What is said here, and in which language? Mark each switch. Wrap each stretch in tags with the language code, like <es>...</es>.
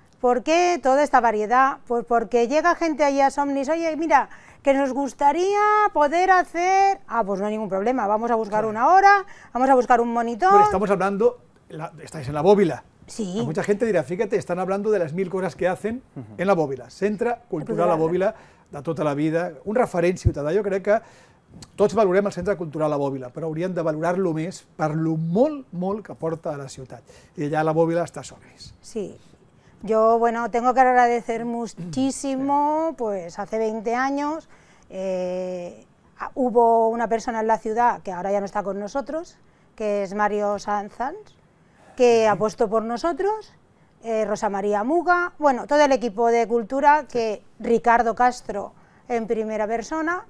<es>¿Por qué toda esta variedad? Pues porque llega gente allí a Somnis, oye, mira, que nos gustaría poder hacer... Ah, pues no hay ningún problema, vamos a buscar una hora, vamos a buscar un monitor... Pero estamos hablando, estáis en la Bóvila. Sí. A mucha gente dirá, fíjate, están hablando de las 1000 cosas que hacen en la Bóvila.</es> <ca>Centre Cultural La Bóvila,</ca> <es>de toda la vida,</es> <ca>un referent ciutadà.</ca> <es>Yo creo que</es> <ca>todos valorem el Centre Cultural La Bóvila, pero haurien de valorar-lo més per lo molt, molt que aporta a la ciutat.</ca> <es>Y allá La Bóvila está a Somnis. Sí. Yo, bueno, tengo que agradecer muchísimo, pues hace 20 años hubo una persona en la ciudad, que ahora ya no está con nosotros, que es Mario Sanzans, que apostó por nosotros, Rosa María Muga, bueno, todo el equipo de cultura, que Ricardo Castro en primera persona.</es>